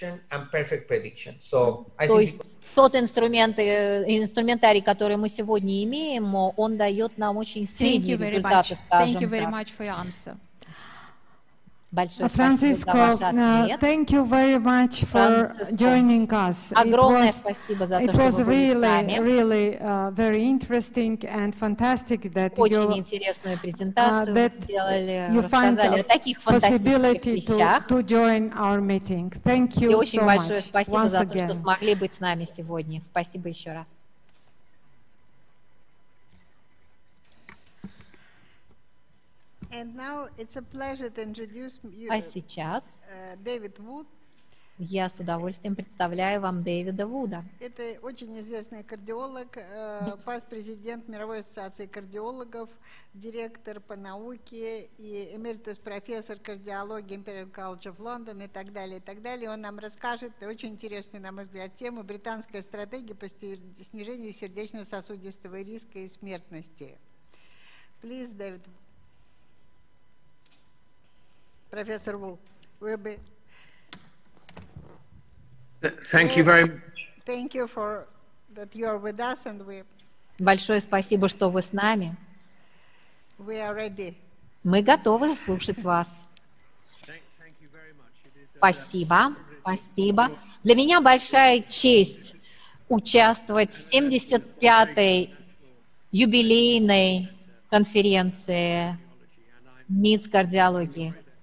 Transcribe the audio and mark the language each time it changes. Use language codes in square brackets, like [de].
[ru] То есть тот инструментарий, который мы сегодня имеем, он дает нам очень средние результаты, скажем так. [en] Франциско, thank you very much for joining us. [ru] Огромное спасибо за то, что вы были с нами. [en] It was really, really very interesting and fantastic that you [ru] очень интересную презентацию делали, рассказали о таких фантастических вещах. [en] To join our meeting. Thank you so much. [ru] И очень большое спасибо [en] once [ru] за то, что смогли быть с нами сегодня. Спасибо еще раз. [en] And now it's a pleasure to introduce you. [ru] А сейчас [en] David Wood. [ru] Я с удовольствием представляю вам Дэвида Вуда. Это очень известный кардиолог, пастор-президент Мировой ассоциации кардиологов, директор по науке и эмеритус-профессор кардиологии Imperial College of London и так далее, и так далее. Он нам расскажет очень интересную, на мой взгляд, тему — британская стратегия по снижению сердечно-сосудистого риска и смертности. [en] Please, David. Professor Wu, we'll be. Thank you very much. Thank you for that you are with us, and we. [ru] Большое спасибо, что вы с нами. [en] We are ready. [ru] Мы готовы слушать вас. [en] Thank you very much. [ru] Спасибо, спасибо. Для меня большая честь участвовать в 75-й юбилейной конференции МИДС кардиологии.